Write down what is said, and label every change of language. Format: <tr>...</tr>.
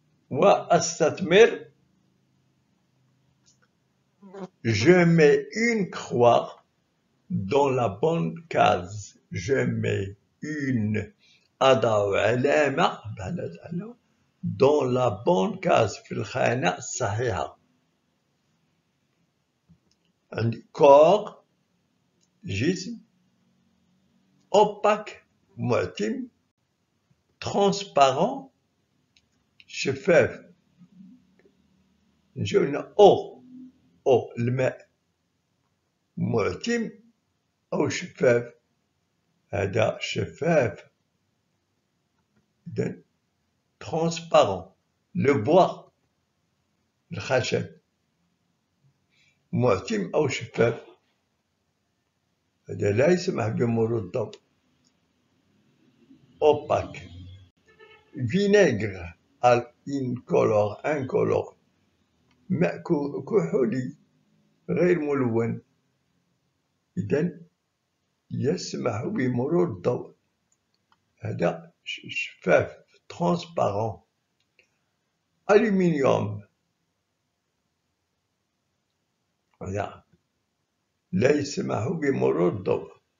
<ar>وأستثمر،</ar> <fr>je mets une croix dans la bonne case. Je mets une</fr> <ar>أضع علامة</ar> <fr>dans la bonne case،</fr> <ar>في الخانة الصحيحة. عندي كور، جسم، أوباك، معتم، ترانسبارون، شفاف. نجيو هنا أو، الماء، معتم أو شفاف، هذا شفاف، إذن ترانسبارون. لو بوا، الخشب، معتم أو شفاف، هذا لا يسمح بمرور الضوء.</ar> <fr>opaque, vinaigre à incolore, mais</fr> <ar>كحولي غير ملون. إذن يسمح بمرور الضوء. هذا شفاف transparent. ألومنيوم لا يسمح بمرور الضوء.</ar>